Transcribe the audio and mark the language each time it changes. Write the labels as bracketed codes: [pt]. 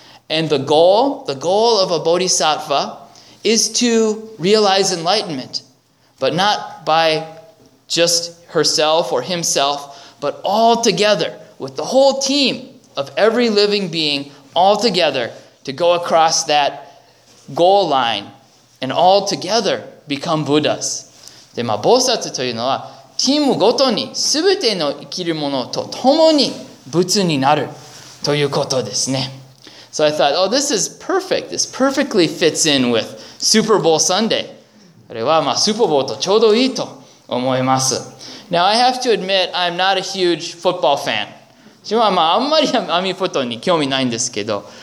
[en] And the goal of a bodhisattva is to realize enlightenment, but not by just herself or himself, but all together with the whole team of every living being, all together to go across that goal line and all together become Buddhas. [ja] で、まあ、菩薩というのはチームごとにすべての生きるものとともに仏になるということですね。 [en] So I thought, oh, this is perfect. This perfectly fits in with Super Bowl Sunday. [ja] これはまあ、スーパーボウルとちょうどいいと思います。 [en] Now, I have to admit, I'm not a huge football fan. [ja] 私はまあ、あんまりアミフットに興味ないんですけど。